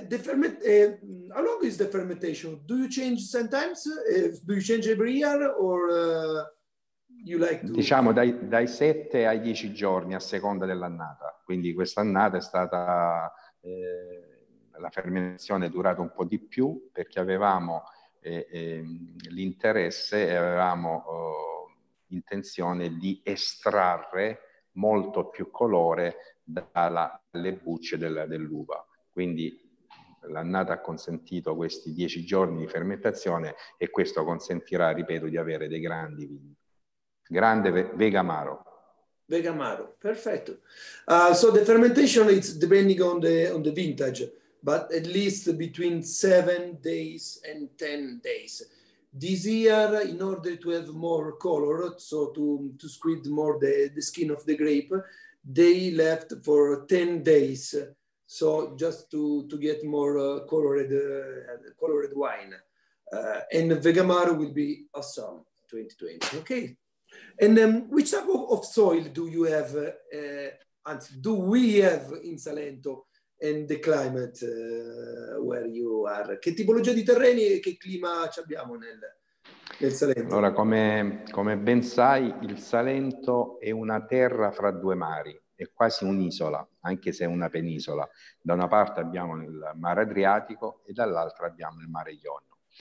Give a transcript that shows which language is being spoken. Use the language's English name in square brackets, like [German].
[English] How long is the fermentation? Do you change sometimes? Do you change every year or you like to? [Italian] Diciamo dai 7 ai 10 giorni a seconda dell'annata. Quindi quest'annata è stata la fermentazione è durata un po' di più perché avevamo l'interesse e avevamo intenzione di estrarre molto più colore dalle bucce dell'uva. Quindi l'annata ha consentito questi 10 giorni di fermentazione e questo consentirà, ripeto, di avere dei grandi vini. Grande Vegamaro. Vegamaro, perfetto. [English] So the fermentation is depending on the vintage, but at least between 7 days and 10 days. This year, in order to have more color, so to squeeze more the skin of the grape, they left for 10 days. So just to get more colored wine. And Vegamaro will be awesome 2020, okay? And then which type of soil do you have, do we have in Salento and the climate where you are? [Italian] Che tipologia di terreni e che clima ci abbiamo nel Salento? Allora, come ben sai, il Salento è una terra fra due mari. È quasi un'isola, anche se è una penisola. Da una parte abbiamo il mare Adriatico e dall'altra abbiamo il mare Ionio.